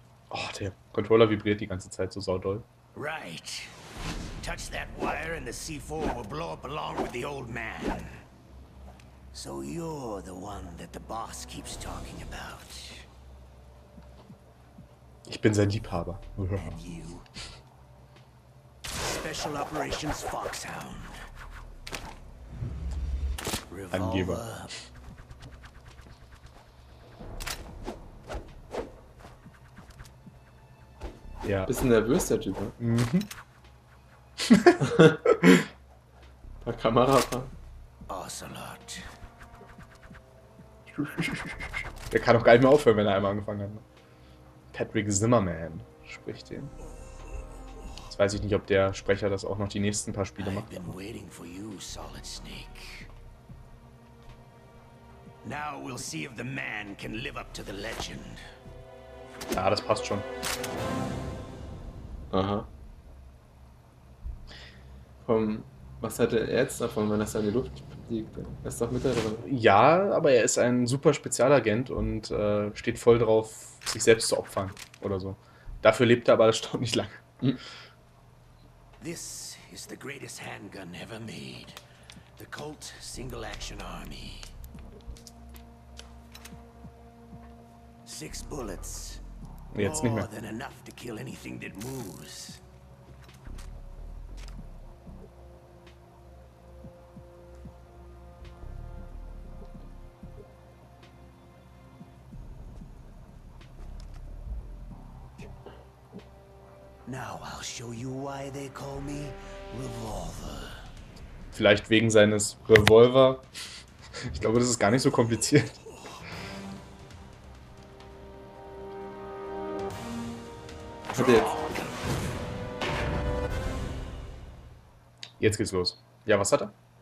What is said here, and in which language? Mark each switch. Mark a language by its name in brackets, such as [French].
[German] Oh, der Controller vibriert die ganze Zeit so saudoll. [English] Right. Touch that wire and the C4 will blow up along with the old man. So you're the one that the boss keeps talking about. [German] Ich bin sein Liebhaber. [English] And you? Special Operations Foxhound. [German] Revolver. Angeber. Ja. Bisschen nervös, der Typ, ne? Mhm. Ein paar Kamerafahren. Ocelot. Der kann auch gar nicht mehr aufhören, wenn er einmal angefangen hat. Patrick Zimmerman spricht den. Jetzt weiß ich nicht, ob der Sprecher das auch noch die nächsten paar Spiele macht. [English] I've been waiting for you, Solid Snake. Now we'll see if the man can live up to the legend. [German] Ja, das passt schon. Aha. Vom Was hat er jetzt davon, wenn das in die Luft fliegt? Er ist doch mit da drin. Ja, aber er ist ein super Spezialagent und steht voll drauf, sich selbst zu opfern oder so. Dafür lebt er aber erstaunlich lange. [English] This is the greatest handgun ever made. The Colt Single Action Army. Six bullets. [German] Jetzt nicht [English] More [German] mehr. [English] than enough to kill anything that moves. Now I'll show you why they call me Revolver. [German] Vielleicht wegen seines Revolver. Ich glaube, das ist gar nicht so kompliziert. Hat er jetzt. Jetzt geht's los. Ja, was hat er?